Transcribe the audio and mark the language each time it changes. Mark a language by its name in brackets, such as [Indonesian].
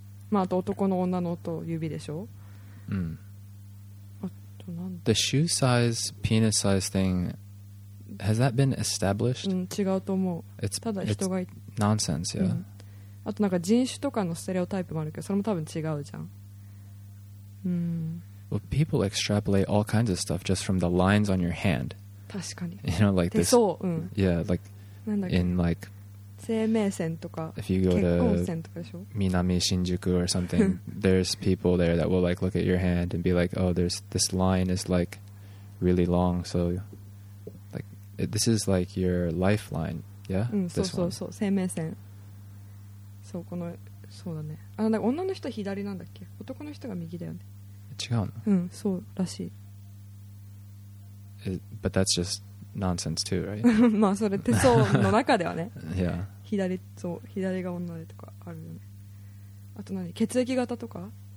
[Japanese] まああと男の女のと指でしょ。あとなん。 [English] The shoe size, penis size thing, has that been established? [Japanese] 違うと思う。ただ人が言って。 [English] Nonsense, yeah. [Japanese] あとなんか人種とかのステレオタイプもあるけど、それも多分違うじゃん。 [English] Well, people extrapolate all kinds of stuff just from the lines on your hand. [Japanese] 確かに。 [English] You know, like this. [Japanese] そう、 [English] Yeah, like in like. [Japanese] 生命線とか。 [English] If you go to 南新宿 or something, there's people there that will like look at your hand and be like, oh, there's this line is like really long, so like this is like your lifeline. Yeah, [Japanese] そうそうそう、生命線。そう、この、そうだね。あ、なんか女の人左なんだっけ？男の人が右だよね。違うの？うん、そうらしい。 [English] But that's just nonsense too, right? [Japanese] まあそれ手相の中ではね。 [English] Yeah. [Japanese] 左が女でとかあるよね。あと何？血液型とか？